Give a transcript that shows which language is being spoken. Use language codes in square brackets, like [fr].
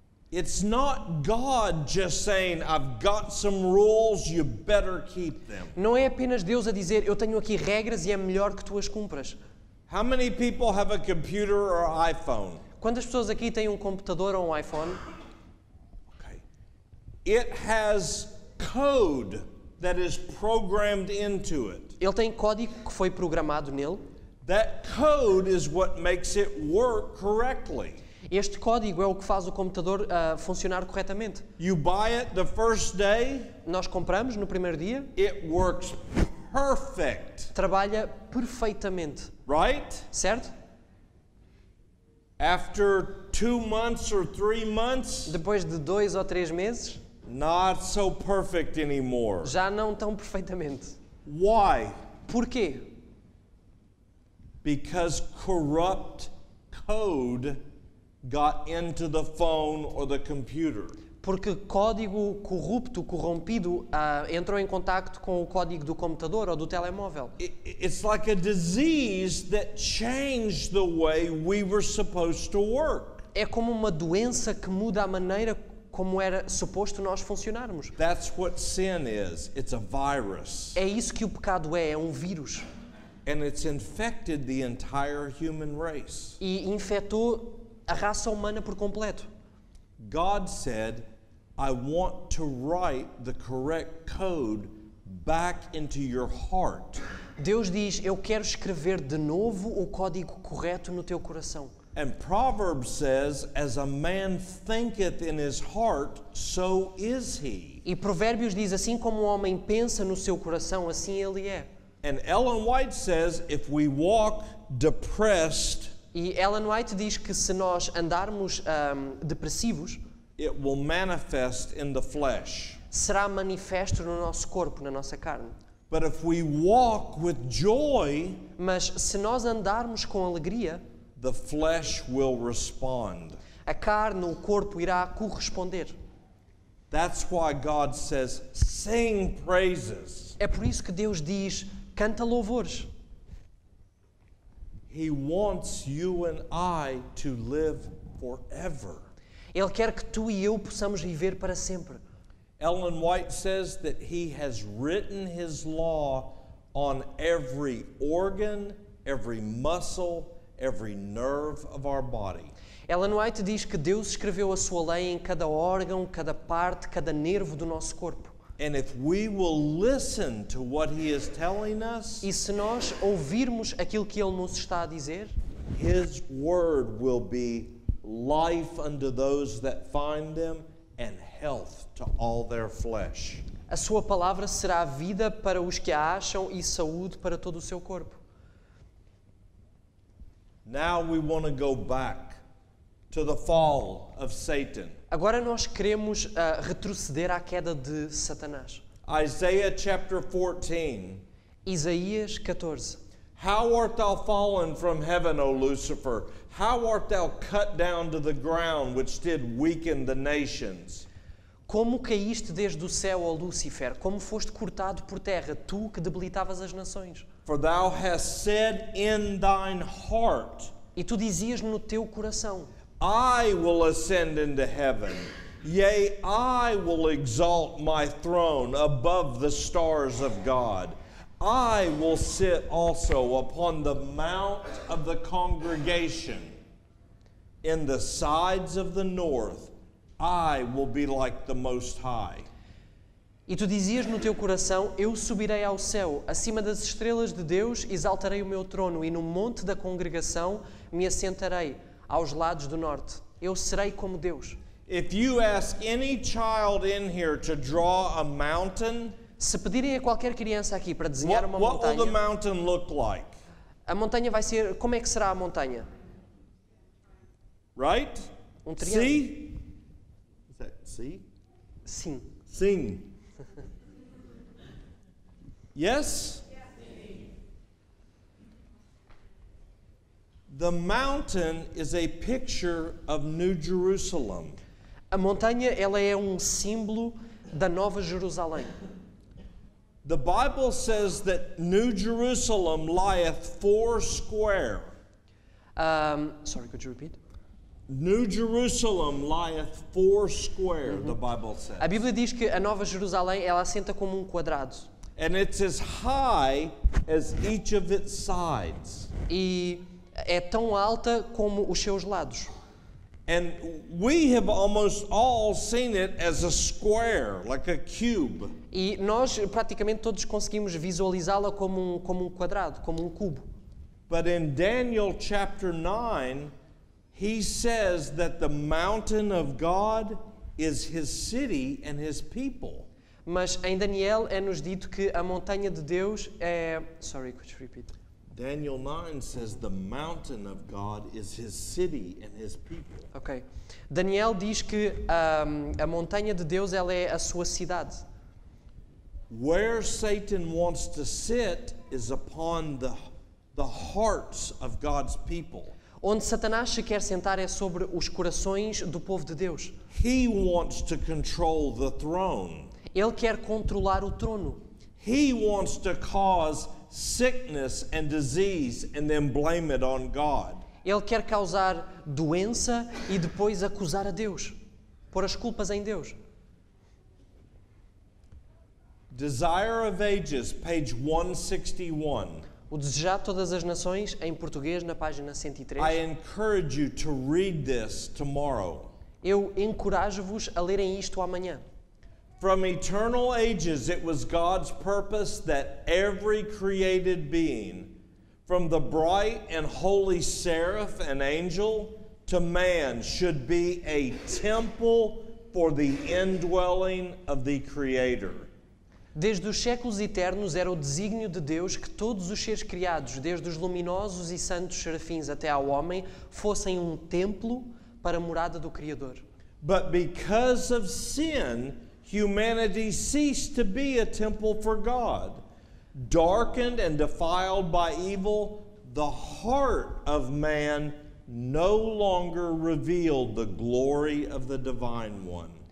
[en] It's not God just saying, "I've got some rules, you better keep them." [pt] Não é apenas Deus a dizer, "Eu tenho aqui regras e é melhor que tu as cumpras." [en] How many people have a computer or iPhone? [pt] Quantas pessoas aqui têm computador ou iPhone? [en] Okay. It has code that is programmed into it. [pt] Ele tem código que foi programado nele. [en] That code is what makes it work correctly. [pt] Este código é o que faz o computador funcionar corretamente. [en] You buy it the first day, [pt] nós compramos no primeiro dia. [en] It works perfect. [pt] Trabalha perfeitamente. [en] Right? [pt] Certo? [en] After 2 months or 3 months, [pt] depois de 2 ou 3 meses, [en] not so perfect anymore. [pt] Já não tão perfeitamente. [en] Why? [pt] Porquê? [en] Because corrupt code got into the phone or the computer. [pt] Porque código corrupto, corrompido, entrou em contacto com o código do computador ou do telemóvel. [en] It's like a disease that changed the way we were supposed to work. [pt] É como uma doença que muda a maneira como era suposto nós funcionarmos. [en] That's what sin is. It's a virus. [pt] É isso que o pecado é um vírus. [en] And it's infected the entire human race. [pt] E infectou a raça humana por completo. [en] God said, "I want to write the correct code back into your heart." [pt] Deus diz, "Eu quero escrever de novo o código correto no teu coração." [en] And Proverbs says, "As a man thinketh in his heart, so is he." [pt] E Provérbios diz, assim como um homem pensa no seu coração, assim ele é. [en] And Ellen White says, "If we walk depressed," [pt] e Ellen White diz que se nós andarmos depressivos, [en] it will manifest in the flesh. [pt] Será manifesto no nosso corpo, na nossa carne. [en] But if we walk with joy, [pt] mas se nós andarmos com alegria, [en] the flesh will respond. [pt] A carne, o corpo irá corresponder. [en] That's why God says, sing praises. [pt] É por isso que Deus diz, canta louvores. [en] He wants you and I to live forever. [pt] Ele quer que tu e eu possamos viver para sempre. [en] Ellen White says that he has written his law on every organ, every muscle, every nerve of our body. [pt] Ellen White diz que Deus escreveu a sua lei em cada órgão, cada parte, cada nervo do nosso corpo. [en] And if we will listen to what he is telling us, [pt] e se nós ouvirmos aquilo que ele nos está a dizer, [en] his word will be life unto those that find them and health to all their flesh. [pt] A sua palavra será vida para os que a acham e saúde para todo o seu corpo. [en] Now we want to go back to the fall of Satan. [pt] Agora nós queremos retroceder à queda de Satanás. [en] Isaiah chapter 14. [pt] Isaías 14. [en] How art thou fallen from heaven, O Lucifer? How art thou cut down to the ground, which did weaken the nations? [pt] Como caíste desde o céu, ó Lúcifer? Como foste cortado por terra, tu que debilitavas as nações? [en] For thou hast said in thine heart, [pt] e tu dizias no teu coração, [en] I will ascend into heaven, yea, I will exalt my throne above the stars of God. I will sit also upon the mount of the congregation in the sides of the north. I will be like the Most High. [pt] E tu dizias no teu coração, eu subirei ao céu, acima das estrelas de Deus, exaltarei o meu trono, e no monte da congregação me assentarei aos lados do norte. Eu serei como Deus. [en] If you ask any child in here to draw a mountain, [pt] se pedirem a qualquer criança aqui para desenhar uma montanha, [en] what will the mountain look like? [pt] A montanha vai ser, como é que será a montanha? [en] Right? [pt] Um triângulo. [en] See? Is that see? [pt] Sim. Sim. [en] Yes? The mountain is a picture of New Jerusalem. [pt] A montanha, ela é um símbolo da Nova Jerusalém. [en] The Bible says that New Jerusalem lieth four square. Sorry, could you repeat? New Jerusalem lieth four square, mm-hmm. The Bible says. [pt] A Bíblia diz que a Nova Jerusalém, ela assenta como um quadrado. [en] And it's as high as each of its sides. [pt] E é tão alta como os seus lados. [en] And we have almost all seen it as a square, like a cube. [pt] E nós praticamente todos conseguimos visualizá-la como um quadrado, como um cubo. [en] But in Daniel chapter 9, he says that the mountain of God is his city and his people. [pt] Mas em Daniel é-nos dito que a montanha de Deus é... [en] Sorry, could you repeat? Daniel 9 says the mountain of God is his city and his people. Okay. [pt] Daniel diz que a montanha de Deus, ela é a sua cidade. [en] Where Satan wants to sit is upon the hearts of God's people. [pt] Onde Satanás se quer sentar é sobre os corações do povo de Deus. [en] He wants to control the throne. [pt] Ele quer controlar o trono. [en] He wants to cause sickness and disease and then blame it on God. [pt] Ele quer causar doença e depois acusar a Deus, pôr as culpas em Deus. [en] Desire of Ages, page 161. [pt] O Desejar de Todas as Nações, em português, na página 103. [en] I encourage you to read this tomorrow. [pt] Eu encorajo-vos a lerem isto amanhã. [en] From eternal ages, it was God's purpose that every created being, from the bright and holy seraph and angel to man, should be a temple for the indwelling of the Creator. [pt] Desde os séculos eternos era o desígnio de Deus que todos os seres criados, desde os luminosos e santos serafins até ao homem, fossem um templo para a morada do Criador. [en] But because of sin, humanity ceased to be a temple for God. darkened and defiled by evil, the heart of man no longer revealed the glory of the divine one.